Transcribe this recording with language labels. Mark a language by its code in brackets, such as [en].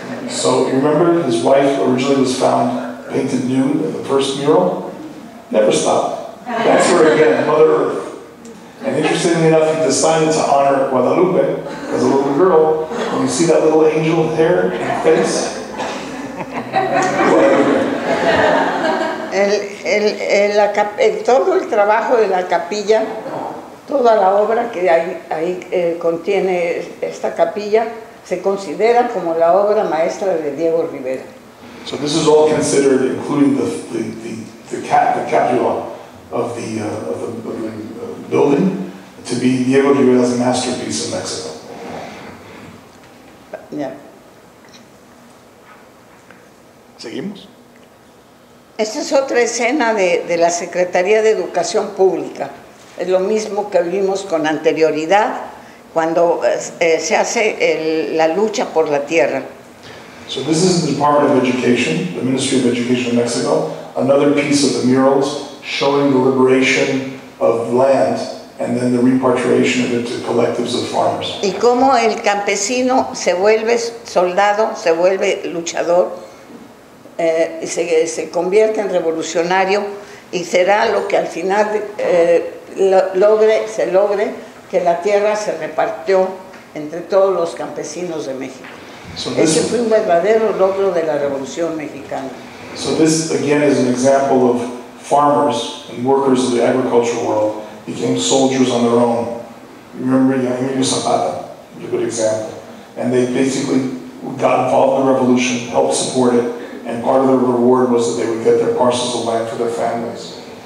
[en] So you remember his wife originally was found painted nude in the first mural? Never stopped. That's her again, Mother Earth. And interestingly enough, he decided to honor Guadalupe as a little girl. And you see that little angel hair and face? [es] El todo el trabajo de la capilla, toda la obra que ahí contiene esta capilla, se considera como la obra maestra de Diego Rivera. [en] So this is all considered, including the capilla of the building, to be Diego Rivera's masterpiece in Mexico. Yeah. [es] Seguimos. Esta es otra escena de la Secretaría de Educación Pública. Es lo mismo que vimos con anterioridad cuando se hace la lucha por la tierra. [en] So this is the Department of Education, the Ministry of Education of Mexico, another piece of the murals showing the liberation of land and then the repatriation of it to collectives of farmers. [es] Y cómo el campesino se vuelve soldado, se vuelve luchador. Se convierte en revolucionario y será lo que al final logre que la tierra se repartió entre todos los campesinos de México. Ese fue un verdadero logro de la Revolución Mexicana. [en] So this again is an example of farmers and workers of the agricultural world became soldiers on their own. Remember Emilio Zapata, a good example. And they basically got involved in the revolution, helped support it, and part of the reward was that they would get their parcels of land for their families.